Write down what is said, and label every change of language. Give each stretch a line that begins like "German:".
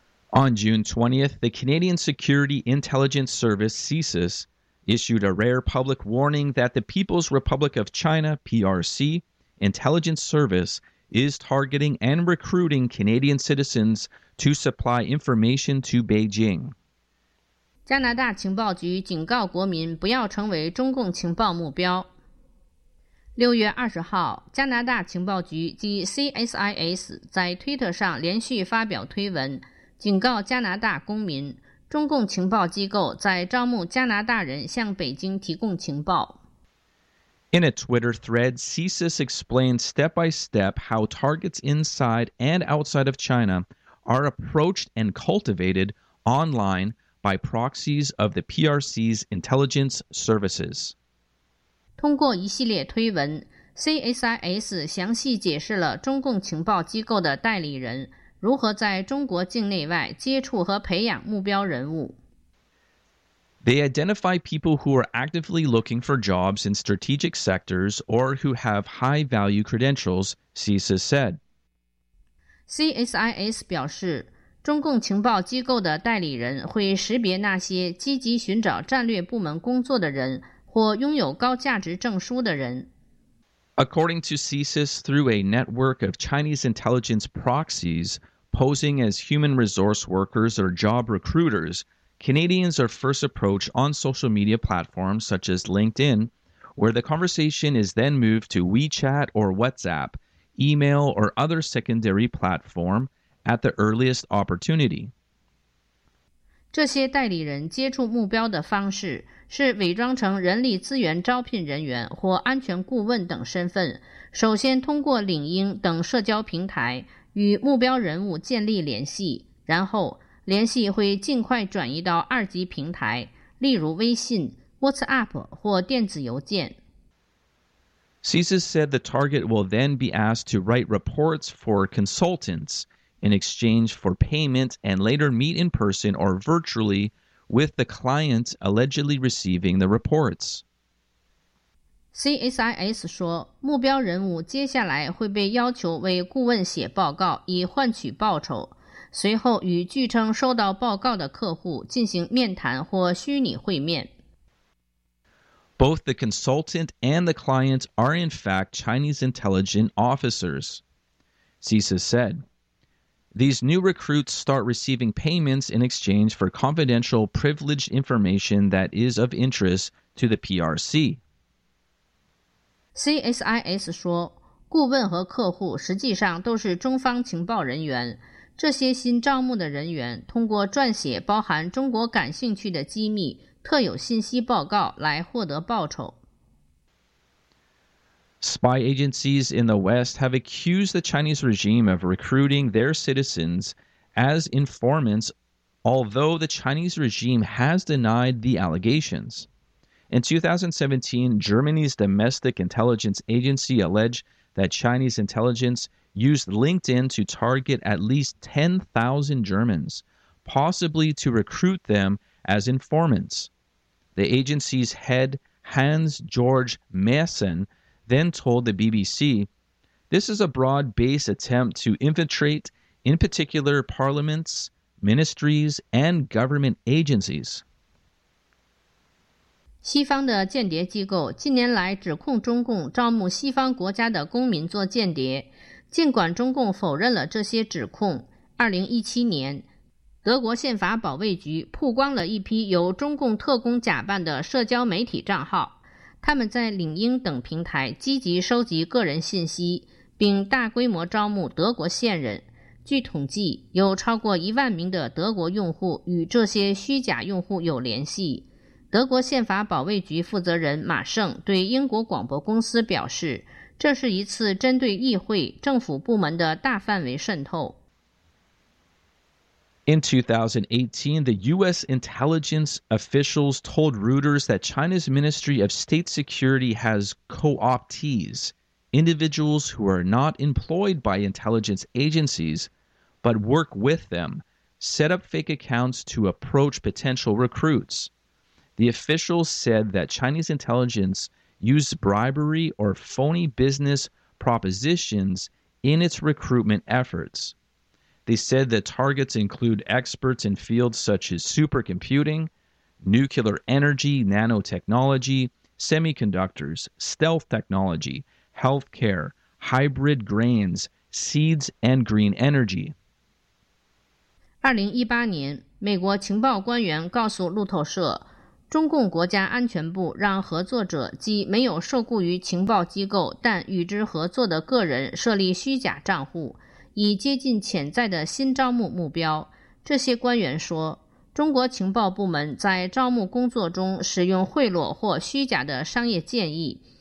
English: On June 20th, the Canadian Security Intelligence Service, CSIS, issued a rare public warning that the People's Republic of China, PRC, intelligence service is targeting and recruiting Canadian citizens to supply information to Beijing.
Chinese: 加拿大情报局警告国民不要成为中共情报目标。 6月20号，加拿大情报局及 CSIS 在推特上连续发表推文，警告加拿大公民，中共情报机构在招募加拿大人向北京提供情报。
English: In a Twitter thread, CSIS explained step by step how targets inside and outside of China are approached and cultivated online by proxies of the PRC's intelligence services.
Chinese: 通过一系列推文 ,CSIS 详细解释了中共情报机构的代理人如何在中国境内外接触和培养目标人物。
English: They identify people who are actively looking for jobs in strategic sectors or who have high-value credentials, CSIS said.
Chinese: CSIS 表示，中共情报机构的代理人会识别那些积极寻找战略部门工作的人或拥有高价值证书的人。
English: According to CSIS, through a network of Chinese intelligence proxies, posing as human resource workers or job recruiters, Canadians are first approached on social media platforms such as LinkedIn, where the conversation is then moved to WeChat or WhatsApp, email or other secondary platform at the earliest opportunity.
Chinese: 这些代理人接触目标的方式是伪装成人力资源招聘人员或安全顾问等身份，首先通过领英等社交平台与目标人物建立联系，然后联系会尽快转移到二级平台，例如微信、WhatsApp 或电子邮件。
English: CSIS said the target will then be asked to write reports for consultants in exchange for payment and later meet in person or virtually with the client allegedly receiving the reports.
Chinese: CSIS 说，目标人物接下来会被要求为顾问写报告以换取报酬，随后与据称收到报告的客户进行面谈或虚拟会面。
English: Both the consultant and the client are in fact Chinese intelligence officers, CSIS said. These new recruits start receiving payments in exchange for confidential privileged information that is of interest to the PRC.
Chinese: CSIS 说，顾问和客户实际上都是中方情报人员，这些新招募的人员通过撰写包含中国感兴趣的机密特有信息报告来获得报酬。
English: Spy agencies in the West have accused the Chinese regime of recruiting their citizens as informants, although the Chinese regime has denied the allegations. In 2017, Germany's domestic intelligence agency alleged that Chinese intelligence used LinkedIn to target at least 10,000 Germans, possibly to recruit them as informants. The agency's head, Hans-Georg Maaßen, then told the BBC, this is a broad-based attempt to infiltrate, in particular, parliaments, ministries, and government agencies.
Chinese: 西方的间谍机构近年来指控中共招募西方国家的公民做间谍，尽管中共否认了这些指控。 2017年，德国宪法保卫局曝光了一批由中共特工假扮的社交媒体账号，他们在领英等平台积极收集个人信息，并大规模招募德国线人，据统计，有超过10,000名的德国用户与这些虚假用户有联系。德国宪法保卫局负责人马胜对英国广播公司表示，这是一次针对议会、政府部门的大范围渗透。
English: In 2018, the U.S. intelligence officials told Reuters that China's Ministry of State Security has co-optees, individuals who are not employed by intelligence agencies, but work with them, set up fake accounts to approach potential recruits. The officials said that Chinese intelligence used bribery or phony business propositions in its recruitment efforts. They said the targets include experts in fields such as supercomputing, nuclear energy, nanotechnology, semiconductors, stealth technology, healthcare, hybrid grains, seeds, and green energy.
Chinese: 2018年，美国情报官员告诉路透社，中共国家安全部让合作者即没有受雇于情报机构但与之合作的个人设立虚假账户。以接近潜在的新招募目标，这些官员说，中国情报部门在招募工作中使用贿赂或虚假的商业建议。